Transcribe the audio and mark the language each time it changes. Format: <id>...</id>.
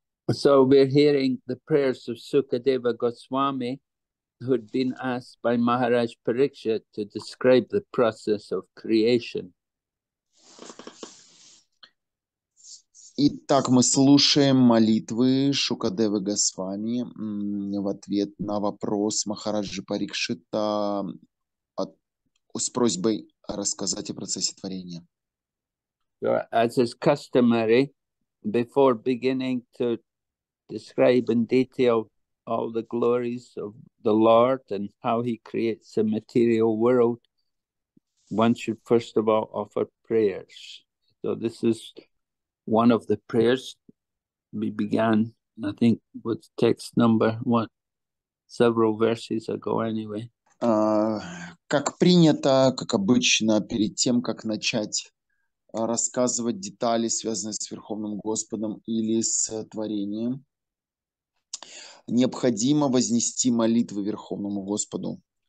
<en>So we're hearing the prayers of Sukadeva Goswami, who'd been asked by Maharaj Parikshit to describe the process of creation.</en> <ru>Итак, мы слушаем молитвы Шукадевы Госвами в ответ на вопрос Махараджи Парикшита с просьбой рассказать о процессе творения.</ru> <en>So, as is customary, before beginning to describe in detail all the glories of the Lord and how he creates the material world, one should first of all offer prayers. So this is one of the prayers. We began, I think, with text number one, several verses ago anyway.</en> <ru>Как принято, как обычно, перед тем, как начать рассказывать детали, связанные с Верховным Господом или с творением, необходимо вознести молитвы Верховному Господу.</ru>